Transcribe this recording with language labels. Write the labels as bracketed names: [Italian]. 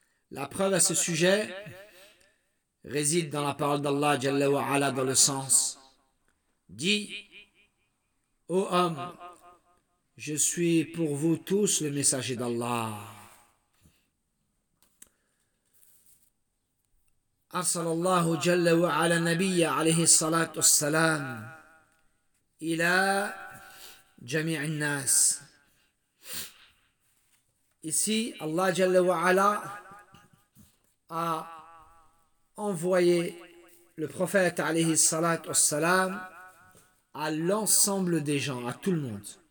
[French] La preuve à ce sujet réside dans la parole d'Allah jalla wa ala, dans le sens: dis, ô homme, je suis pour vous tous le messager d'Allah. [Arabic] أرسل الله جل وعلا نبي عليه الصلاة والسلام إلى جميع الناس. [French] Ici, Allah جل وعلا a envoyé le prophète عليه الصلاة والسلام à l'ensemble des gens, à tout le monde.